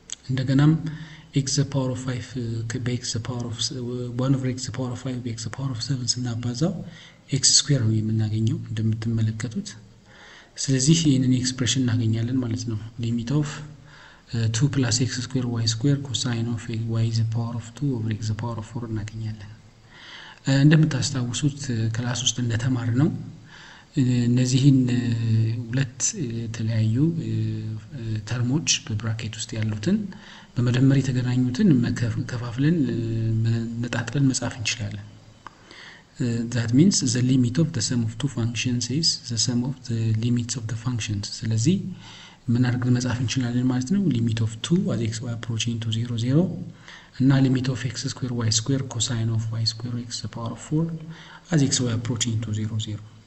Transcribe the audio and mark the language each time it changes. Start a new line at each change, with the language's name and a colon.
Amharic: እንደገናም ኤክስ ፓወር ኦፍ ፋይፍ በኤክስ ፓወር ኦፍ ዋን ኦቨር ኤክስ ፓወር ኦፍ ፋይፍ በኤክስ ፓወር ኦፍ ሰቨን ስናባዛው ኤክስ ስኩዌር ነው የምናገኘው እንደምትመለከቱት። ስለዚህ ይህንን ኤክስፕሬሽን እናገኛለን ማለት ነው። ሊሚት ኦፍ ቱ ፕላስ ኤክስ ስኩዌር ዋይ ስኩዌር ኮሳይን ኦፍ ዋይ ዘ ፓወር ኦፍ ቱ ኦቨር ኤክስ ፓወር ኦፍ ፎር እናገኛለን። እንደምታስታውሱት ክላስ ውስጥ እንደተማርነው እነዚህን ሁለት የተለያዩ ተርሞች በብራኬት ውስጥ ያሉትን በመደመር የተገናኙትን ከፋፍለን ነጣጥለን መጻፍ እንችላለን።
English: That means the limit of the sum of two functions is the sum of the limits of the functions.
Amharic: ስለዚህ ምን አድርገን መጻፍ እንችላለን ማለት ነው?
English: Limit of 2 as x y approaching to 0 0 እና limit of x square y square cosine of y square x to the power of 4 as x y approaching to 0 0.